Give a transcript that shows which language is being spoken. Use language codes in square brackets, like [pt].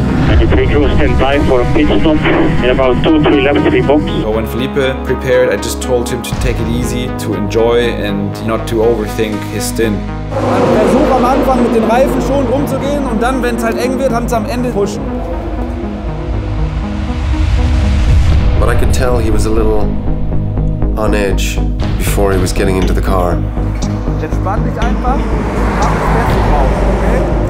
[en] And the pre-crew stand by for a pit stop in about 2-3 laps to be boxed. So when Felipe prepared, I just told him to take it easy, to enjoy and not to overthink his stint. [de] Versuch am Anfang mit den Reifen schon rumzugehen und dann, wenn es halt eng wird, haben sie am Ende pushen. [en] but I could tell he was a little on edge before he was getting into the car. [de] Entspann dich einfach, mach das Beste drauf, okay?